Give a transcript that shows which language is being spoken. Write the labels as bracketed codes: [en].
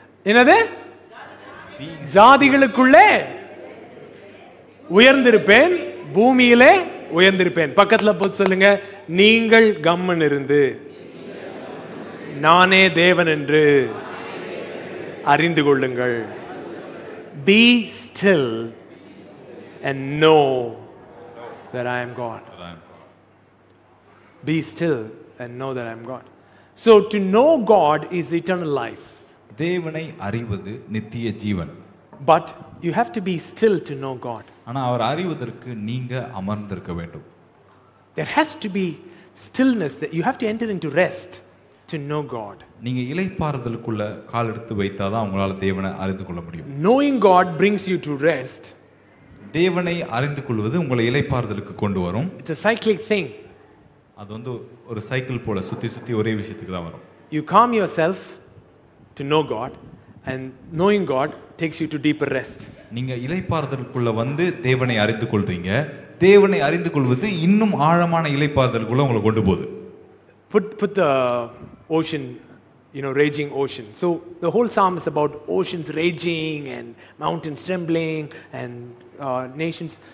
[ta] என்னது, ஜாதிகளுக்குள்ளே உயர்ந்திருப்பேன், பூமியிலே உயர்ந்திருப்பேன். பக்கத்தில் போட்டு சொல்லுங்க, நீங்கள் கம்மன் இருந்து நானே தேவன் என்று அறிந்து கொள்ளுங்கள். [en] Be still and know that I am God. Be still and know that I am God. So to know God is eternal life. [ta] தேவனை அறிவது நித்திய ஜீவன். [en] But you have to be still to know God. [ta] ana avar arivadharku neenga amarndirukka vendum. [en] There has to be stillness, that you have to enter into rest to know God. [ta] நீங்க இளைப்பாறுதலுக்குள்ள கால் எடுத்து வைத்தா தான் உங்களால தேவனை அறிந்து கொள்ள முடியும். [en] Knowing God brings you to rest. [ta] தேவனை அறிந்து கொள்வது உங்களை இளைப்பாறுதலுக்கு கொண்டு வரும். [en] It's a cyclic thing. [ta] அது வந்து ஒரு சைக்கிள் போல சுத்தி சுத்தி ஒரே விஷயத்துக்கு தான் வரும். [en] You calm yourself to know God, and knowing God takes you to deeper rest. [ta] நீங்க இளைப்பாறுதலுக்குள்ள வந்து தேவனை அறிந்து கொள்வீங்க. தேவனை அறிந்து கொள்வது இன்னும் ஆழமான இளைப்பாறுதலுக்குள்ள உங்களை கொண்டு போகுது. [en] Put the ocean, you know, raging ocean. So the whole psalm is about oceans raging and mountains trembling and nations.